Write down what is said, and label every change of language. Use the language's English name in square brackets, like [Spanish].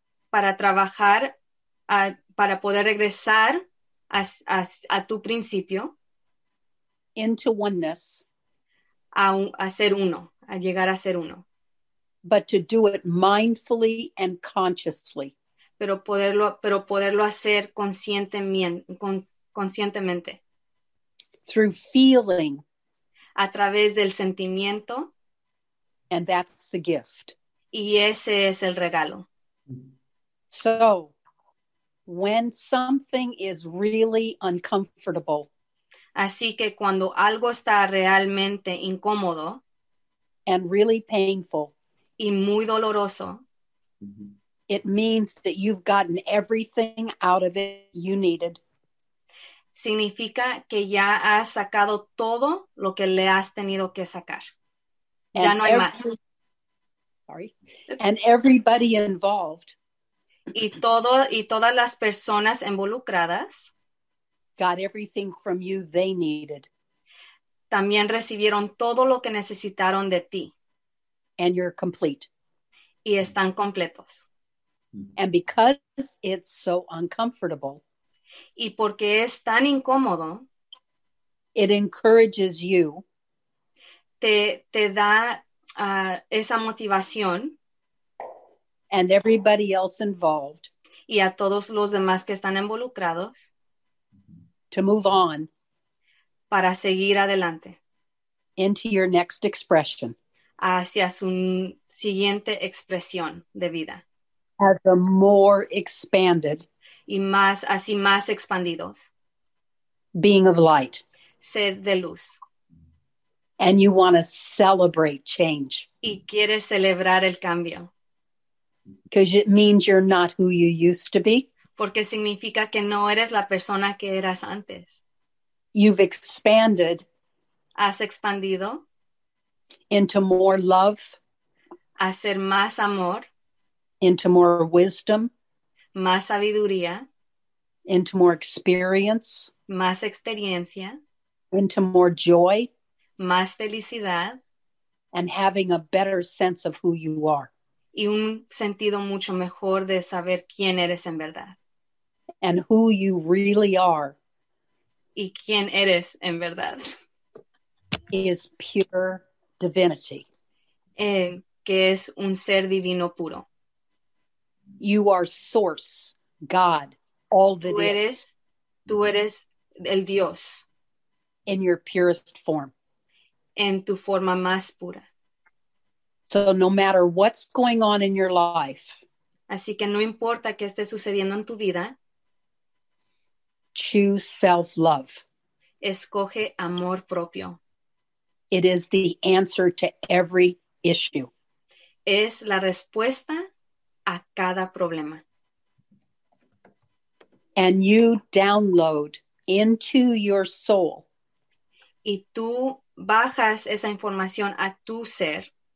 [Spanish] Para trabajar, para poder regresar a tu principio. [English] Into oneness. [Spanish] A ser uno, a llegar a ser uno. [English] But to do it mindfully and consciously. [Spanish] Pero poderlo hacer conscientemente. [English] Through feeling. [Spanish] A través del sentimiento. [English] And that's the gift. [Spanish] Y ese es el regalo. [English] So, when something is really uncomfortable. [Spanish] Así que cuando algo está realmente incómodo. [English] And really painful. [Spanish] Y muy doloroso. [English] It means that you've gotten everything out of it you needed. [Spanish] Significa que ya has sacado todo lo que le has tenido que sacar. [English] And [Spanish] ya no hay más. [English] sorry, and everybody involved. [Spanish] Y todo y todas las personas involucradas [English] got everything from you they needed. [Spanish] También recibieron todo lo que necesitaron de ti. [English] And you're complete. [Spanish] Y están completos. [English] And because it's so uncomfortable, [Spanish] y porque es tan incómodo, [English] it encourages you. [Spanish] Te da esa motivación. [English] And everybody else involved. [Spanish] Y a todos los demás que están involucrados. [English] To move on. [Spanish] Para seguir adelante. [English] Into your next expression. [Spanish] Hacia su siguiente expresión de vida. [English] As a more expanded. [Spanish] Y más, así más expandidos. [English] Being of light. [Spanish] Ser de luz. [English] And you want to celebrate change. [Spanish] Y quieres celebrar el cambio. [English] Because it means you're not who you used to be. [Spanish] Porque significa que no eres la persona que eras antes. [English] You've expanded. [Spanish] Has expandido. [English] Into more love. [Spanish] A ser más amor. [English] Into more wisdom. [Spanish] Más sabiduría. [English] Into more experience. [Spanish] Más experiencia. [English] Into more joy. [Spanish] Más felicidad. [English] And having a better sense of who you are. [Spanish] Y un sentido mucho mejor de saber quién eres en verdad. [English] And who you really are. [Spanish] Y quién eres en verdad. [English] Is pure divinity. [Spanish] Que es un ser divino puro. [English] You are source, God, all that [Spanish] tú eres, [English] is. [Spanish] Tú eres el Dios. [English] In your purest form. [Spanish] En tu forma más pura. [English] So no matter what's going on in your life. [Spanish] Así que no importa qué esté sucediendo en tu vida. [English] Choose self-love. [Spanish] Escoge amor propio. [English] It is the answer to every issue. [Spanish] Es la respuesta a cada problema. [English] And you download into your soul. [Spanish] Y tú bajas esa información a tu ser.